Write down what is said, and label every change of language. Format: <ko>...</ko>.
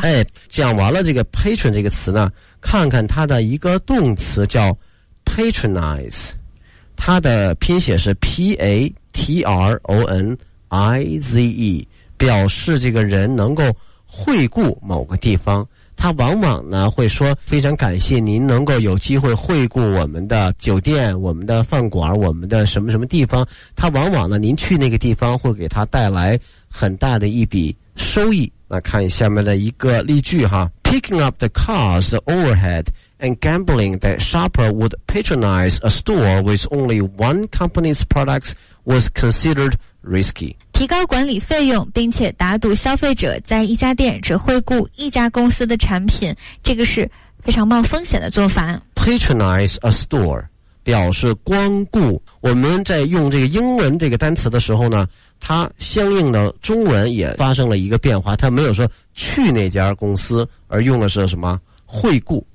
<zh>哎，讲完了这个 patron 这个词呢，看看它的一个动词叫 patronize， 它的拼写是 patronize， 表示这个人能够惠顾某个地方，他往往呢会说非常感谢您能够有机会惠顾我们的酒店、我们的饭馆、我们的什么什么地方，他往往呢您去那个地方会给他带来很大的一笔收益。那看下面的一个例句哈</zh> <en>Picking up the cost overhead and gambling that shopper would patronize a store with only one company's products was considered risky。</en> <zh>提高管理费用并且打赌消费者在一家店只惠顾一家公司的产品，这个是非常冒风险的做法。 patronize a store 表示光顾，我们在用这个英文这个单词的时候呢，它相应的中文也发生了一个变化，它没有说去那家公司，而用的是什么惠顾。</zh>